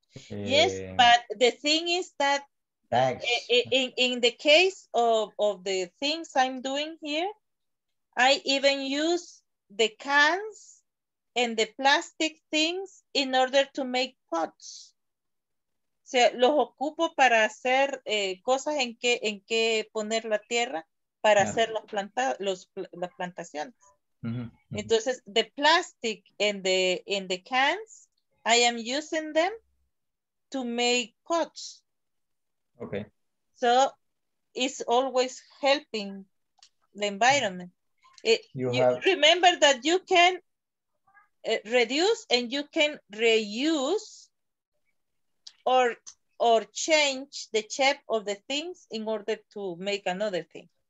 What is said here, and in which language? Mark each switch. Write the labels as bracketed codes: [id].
[en] Yes, but the thing is that bags. In the case of the things I'm doing here, I even use the cans and the plastic things in order to make pots. [es] O sea, los ocupo para hacer cosas en que poner la tierra para hacer las plantaciones. Mm-hmm. [en] Entonces, the plastic and the cans, I am using them to make pots. Okay. So it's always helping the environment. Remember that you can reduce and you can reuse or change the shape of the things in order to make another thing.